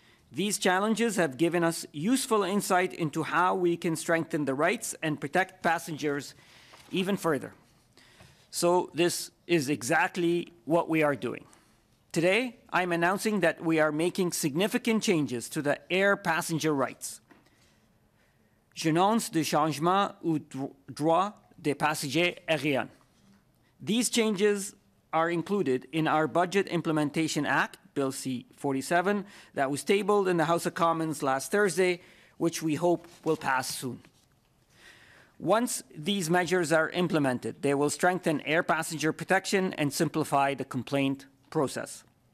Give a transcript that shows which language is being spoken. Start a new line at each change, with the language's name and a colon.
English: These challenges have given us useful insight into how we can strengthen the rights and protect passengers even further. So this is exactly what we are doing. Today, I'm announcing that we are making significant changes to the air passenger rights.
French: J'annonce des changements aux droits des passagers aériens.
English: These changes are included in our Budget Implementation Act, Bill C-47, that was tabled in the House of Commons last Thursday, which we hope will pass soon. Once these measures are implemented, they will strengthen air passenger protection and simplify the complaint process.